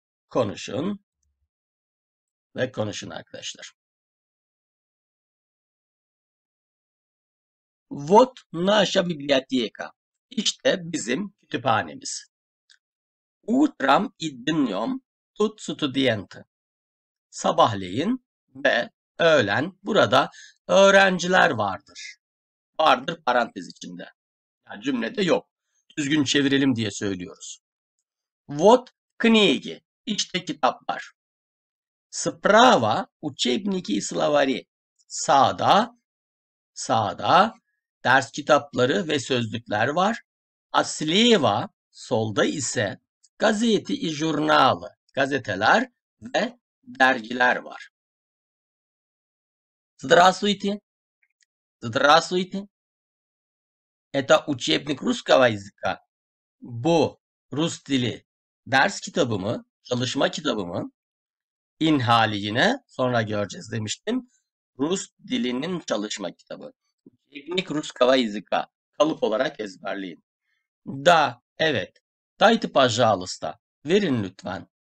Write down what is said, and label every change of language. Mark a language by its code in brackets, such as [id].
[tr] Konuşun ve konuşun arkadaşlar. [ru] Вот наша библиотека. [tr] İşte bizim kütüphanemiz. [ru] Утром и днем тут студенты. [tr] Sabahleyin ve öğlen burada öğrenciler vardır. Vardır parantez içinde. Yani cümlede yok. Düzgün çevirelim diye söylüyoruz. [ru] Вот книги. [tr] İşte kitaplar. [ru] Справа учебники и словари. [tr] Sağda ders kitapları ve sözlükler var. Aslıva solda ise [ru] gazeti i jurnalı, [tr] gazeteler ve dergiler var. [ru] Здравствуйте. Здравствуйте. Это учебник русского языка. [tr] Bu Rus dili ders kitabı mı? Çalışma kitabı mı? İn hali yine sonra göreceğiz demiştim. Rus dilinin çalışma kitabı. [ru] Учебник русского языка. [tr] Kalıp olarak ezberleyin. Da, evet. [ru] Дайте, пожалуйста. [tr] Verin lütfen.